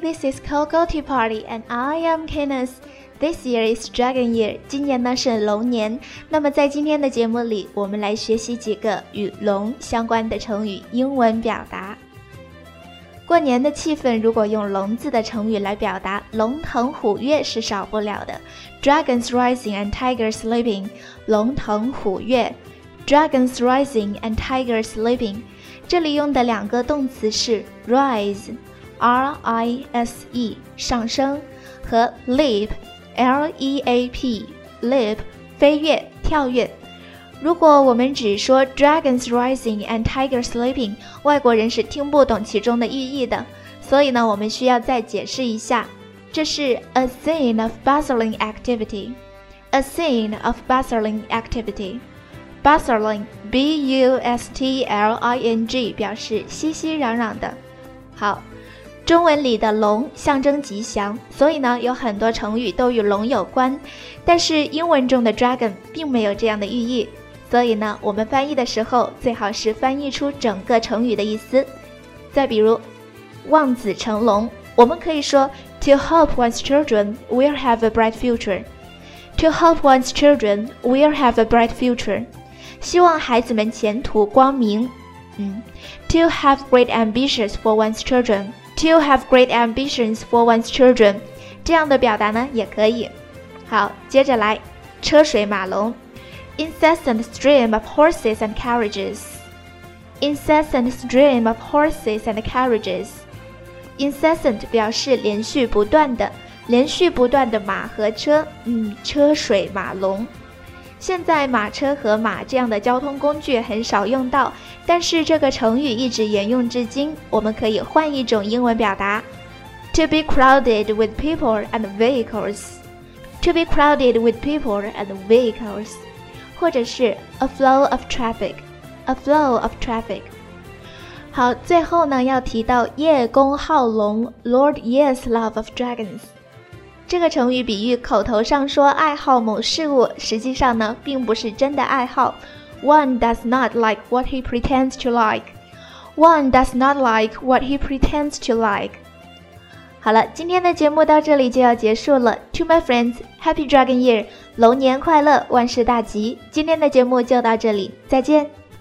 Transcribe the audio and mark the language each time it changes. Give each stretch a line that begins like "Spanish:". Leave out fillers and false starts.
English: This is Coco Tea Party, and I am Kenneth. This year is Dragon Year.
Chinese: 今年呢是龙年。那么在今天的节目里，我们来学习几个与龙相关的成语英文表达。过年的气氛，如果用龙字的成语来表达，龙腾虎跃是少不了的。
English: Dragons rising and tigers leaping.
Chinese: 龙腾虎跃。
English: Dragons rising and tigers leaping.
Chinese: 这里用的两个动词是 rise. R-I-S-E 上升和 leap L-E-A-P leap 飞跃跳跃。如果我们只说
English: dragons rising and tigers leaping，
Chinese: 外国人是听不懂其中的寓意的，所以呢我们需要再解释一下。这是
English: a scene of bustling activity， a scene of bustling activity。
Chinese: Bustling B-U-S-T-L-I-N-G 表示熙熙攘攘的。好，中文里的龙象征吉祥，所以呢有很多成语都与龙有关，但是英文中的 dragon 并没有这样的寓意，所以呢我们翻译的时候最好是翻译出整个成语的意思。再比如望子成龙，我们可以说
English: To hope one's children will have a bright future. To hope one's children will have a bright future.
Chinese: 希望孩子们前途光明。
English: To have great ambitions for one's childrenTo have great ambitions for one's children，
Chinese: 这样的表达呢也可以。好，接着来，车水马龙
English: ，incessant stream of horses and carriages，incessant stream of horses and carriages，incessant
Chinese: 表示连续不断的，连续不断的马和车，车水马龙。现在马车和马这样的交通工具很少用到，但是这个成语一直沿用至今。我们可以换一种英文表达
English: To be crowded with people and vehicles. To be crowded with people and vehicles.
Chinese: 或者是
English: A flow of traffic. A flow of traffic.
Chinese: 好，最后呢要提到叶公好龙
English: Lord Ye's love of dragons.
Chinese: 这个成语比喻口头上说爱好某事物，实际上呢并不是真的爱好。
English: One does not like what he pretends to like. One does not like what he pretends to like.
Chinese: 好了，今天的节目到这里就要结束了。
English: To my friends, Happy Dragon Year,
Chinese: 龙年快乐，万事大吉。今天的节目就到这里，再见。